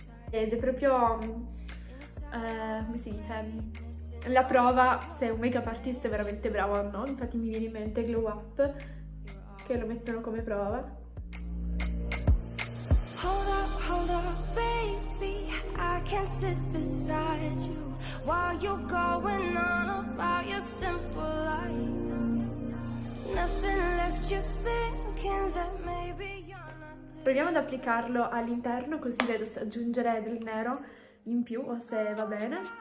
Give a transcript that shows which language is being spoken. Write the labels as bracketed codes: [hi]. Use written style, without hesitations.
[it] Ed è proprio, come si dice, la prova se un makeup artist è veramente bravo o no. Infatti mi viene in mente Glow Up, che lo mettono come prova. [en] Hold up, baby, I can sit beside you while you're going on about your simple life. Nothing left you thinking that maybe you're not. [it] Proviamo ad applicarlo all'interno, così vedo se aggiungere del nero in più o se va bene.